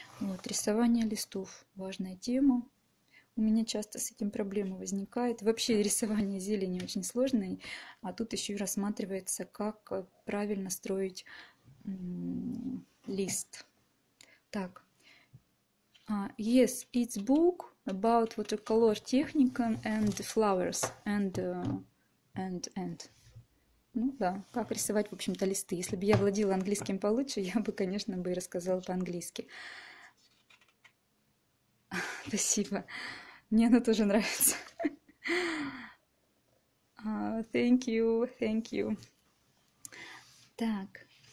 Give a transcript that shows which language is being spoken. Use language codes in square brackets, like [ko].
[ru] Вот, рисование листов – важная тема. У меня часто с этим проблемы возникают. Вообще рисование зелени очень сложное, а тут еще и рассматривается, как правильно строить лист. Так. [en] Yes, it's book about watercolor technique and flowers and. [ru] Ну да, как рисовать, в общем-то, листы. Если бы я владела английским получше, я бы, конечно, бы и рассказала по-английски. Спасибо. Мне оно тоже нравится. [en] Thank you. [ru] Так.